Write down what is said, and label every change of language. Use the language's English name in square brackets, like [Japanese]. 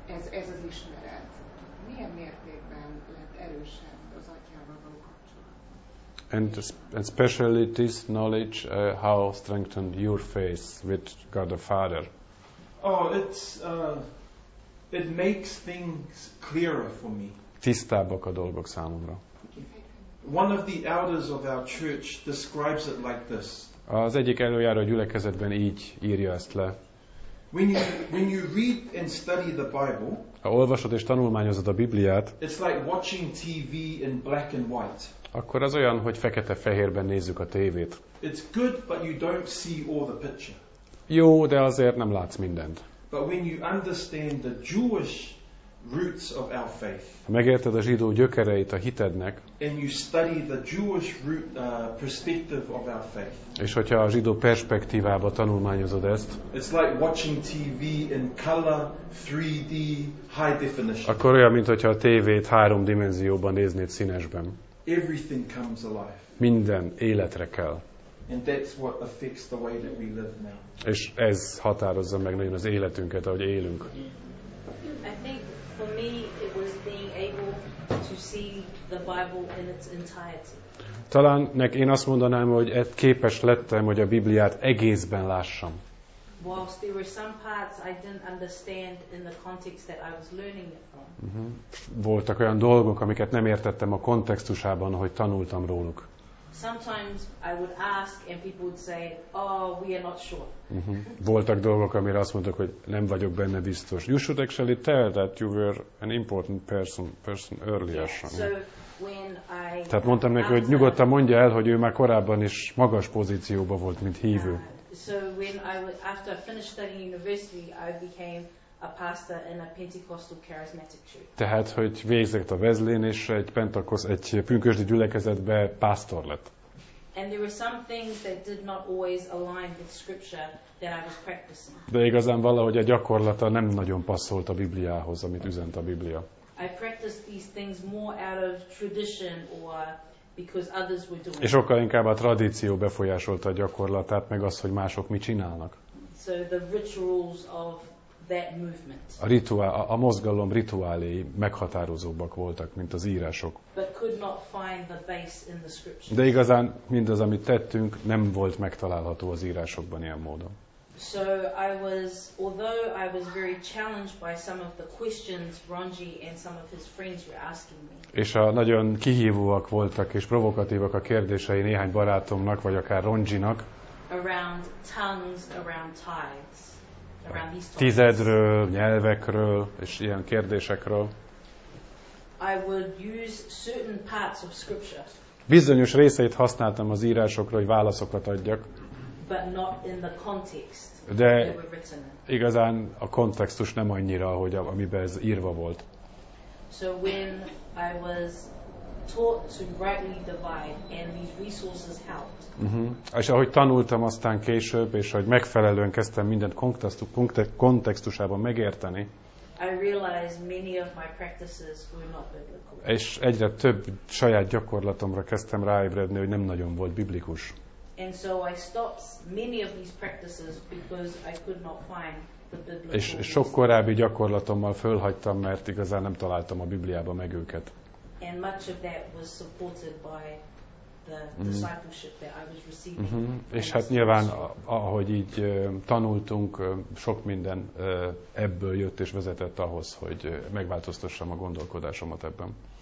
[Hungarian] Ez az ismeret milyen mértékben lett erősebb az atyával való kapcsolatban? [English] And especially this knowledge, how strengthened your faith with God the Father? Oh, it makes things clearer for me. [Hungarian] Tisztábbak a dolgok számomra. [English] One of the elders of our church describes it like this. [Hungarian] Az egyik előjáró gyülekezetben így írja ezt le. [English] When you read and study the Bible, [Hungarian] ha olvasod és tanulmányozod a Bibliát, [English] it's like watching TV in black and white. [Hungarian] Akkor az olyan, hogy fekete-fehérben nézzük a tévét. [English] It's good, but you don't see all the picture. [Hungarian] Jó, de azért nem látsz mindent. [English] But when you understand the Jewish roots of our faith, [Hungarian] ha megérted a zsidó gyökereit a hitednek, [English] and you study the Jewish root perspective of our faith, [Hungarian] és hogyha a zsidó perspektívába tanulmányozod ezt, [English] it's like watching TV in color 3D high definition. [Hungarian] Akkor olyan, mint hogyha a tévét három dimenzióban néznéd színesben. [English] Everything comes alive. [Hungarian] Minden életre kell. [English] And that's what affects the way that we live now. [Hungarian] És ez határozza meg nagyon az életünket, ahogy élünk. [English] For me, it was being able to see the Bible in its entirety. [Hungarian] Talán nekem én azt mondanám, hogy képes lettem, hogy a Bibliát egészben lássam. [English] Whilst there were some parts I didn't understand in the context that I was learning it from. [Hungarian] Voltak olyan dolgok, amiket nem értettem a kontextusában, hogy tanultam róluk. [English] Sometimes I would ask and people would say, "Oh, we are not sure." [Hungarian] Voltak dolgok, amire azt mondtak, hogy nem vagyok benne biztos. [English] You should actually tell that you were an important person earlier. Yeah. So when I [Hungarian] tehát mondtam neki, hogy nyugodtan mondja el, hogy ő már korábban is magas pozícióban volt, mint hívő. [English] So when I was after I finished studying university, I became a pastor in a Pentecostal charismatic church. [Hungarian] Tehát, hogy végzett a Wesleyan és egy pünkösdi gyülekezetbe pásztor lett. [English] And there were some things that did not always align with scripture that I was practicing. [Hungarian] De igazán valahogy a gyakorlata nem nagyon passzolt a Bibliához, amit üzent a Biblia. [English] I practiced these things more out of tradition or because others were doing. [Hungarian] És sokkal inkább a tradíció befolyásolta a gyakorlatát, meg az, hogy mások mit csinálnak. [English] So the rituals of that movement. [Hungarian] A rituál, a mozgalom rituáléi meghatározóbbak voltak, mint az írások. [English] But could not find the base in the scriptures. [Hungarian] De igazán mindaz, amit tettünk, nem volt megtalálható az írásokban ilyen módon. [English] So I was, although I was very challenged by some of the questions Ronji and some of his friends were asking me. [Hungarian] És a nagyon kihívóak voltak és provokatívak a kérdései néhány barátomnak vagy akár Ronjinak. [English] Around tongues, around tithes, around these topics. [Hungarian] Tizedről, nyelvekről és ilyen kérdésekről. [English] I would use certain parts of scripture. [Hungarian] Bizonyos részeit használtam az írásokra, hogy válaszokat adjak. [English] But not in the context. [Hungarian] De igazán a kontextus nem annyira, hogy amiben ez írva volt. [English] So when I was taught to rightly divide and these resources helped. [Hungarian] És ahogy tanultam aztán később, és hogy megfelelően kezdtem mindent kontextusában megérteni. [English] I realized many of my practices were not biblical. [Hungarian] És egyre több saját gyakorlatomra kezdtem ráébredni, hogy nem nagyon volt biblikus. [English] And so I stopped many of these practices because I could not find the biblical. [Hungarian] És sok korábbi gyakorlatommal fölhagytam, mert igazán nem találtam a Bibliában meg őket. [English] And much of that was supported by the discipleship that I was receiving. [Hungarian] És hát nyilván ahogy így tanultunk, sok minden ebből jött és vezetett ahhoz, hogy megváltoztassam a gondolkodásomat ebben.